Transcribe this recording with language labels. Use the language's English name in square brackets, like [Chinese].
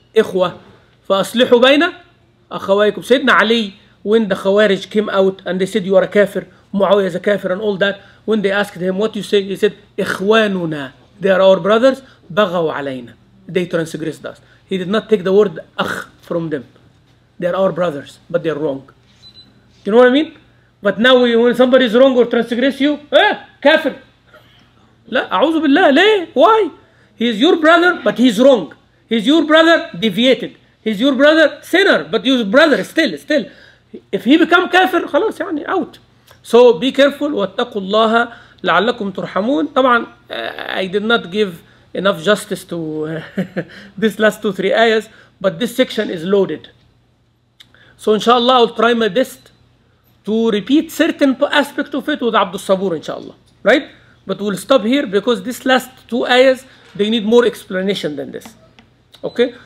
[Arabic] إخوة فَأَصْلِحُوا بَيْنَ أَخَوَيْكُمْ [English] سيدنا علي when the Khawarij came out and they said you are a kafir Muawiyah is a kafir and all that when they asked him what you say he said [Arabic] إِخْوَانُنَا [English] They are our brothers [Arabic] بَغَوْ عَلَيْنَا [English] They transgressed us He did not take the word أخ from them They are our brothers but they are wrong You know what I mean? But now when somebody is wrong or transgress you, kafir. [Arabic] لا, أعوذ بالله, ليه? [English] Why? He is your brother, but he's wrong. He's your brother, deviated. He's your brother, sinner, but your brother, still. If he become kafir, [Arabic] خلاص يعني, [English] out. So be careful, [Arabic] واتقوا الله لعلكم ترحمون. [English] طبعا, I did not give enough justice to this last two, three ayahs, but this section is loaded. So inshallah, I'll try my best to repeat certain aspect of it with Abdul Sabur, inshallah, right? But we'll stop here because this last two ayahs, they need more explanation than this, okay?